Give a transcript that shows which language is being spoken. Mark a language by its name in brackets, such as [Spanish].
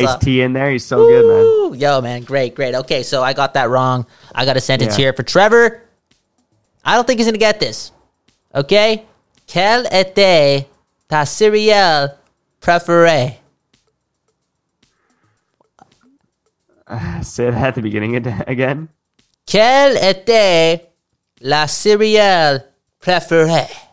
[English] You got iced tea in there. He's so good, man. Yo, man. Great, great. Okay, so I got that wrong. I got a sentence here for Trevor. I don't think he's going to get this. Okay? [French] Quel était ta cereal préférée? [English] Say that at the beginning again. [French] Quel était la cereal préférée?